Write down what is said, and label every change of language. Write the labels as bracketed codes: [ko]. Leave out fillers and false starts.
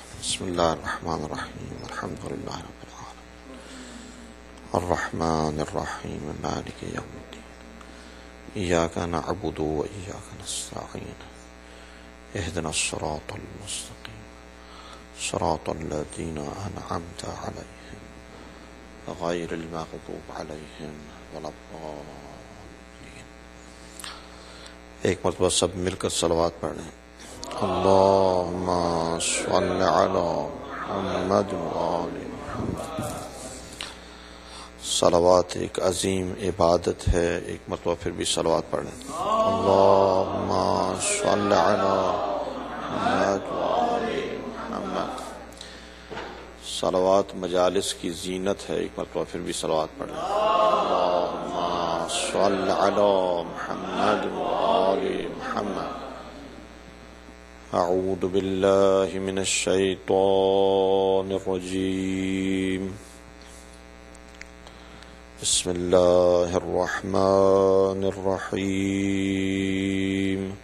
[ar] بسم الله الرحمن الرحيم، الحمد لله رب العالمين، الرحمن الرحيم، مالك يوم الدين، إياك نعبد وإياك نستعين، اهدنا الصراط المستقيم، صراط الذين أنعمت عليهم غير المغضوب عليهم ولا الضالين. [ur] ایک مرتبہ سب مل کر صلوات پڑھیں. [ar] اللهم صل على محمد وآل محمد. [ur] صلوات ایک عظیم عبادت ہے، ایک مرتبہ پھر بھی صلوات پڑھیں. [ar] اللهم صل على محمد وآل محمد. [ur] صلوات مجالس کی زینت ہے، ایک مرتبہ پھر بھی صلوات پڑھیں. [ar] اللهم صل على محمد وآل محمد. أعوذ بالله من الشيطان الرجيم، بسم الله الرحمن الرحيم.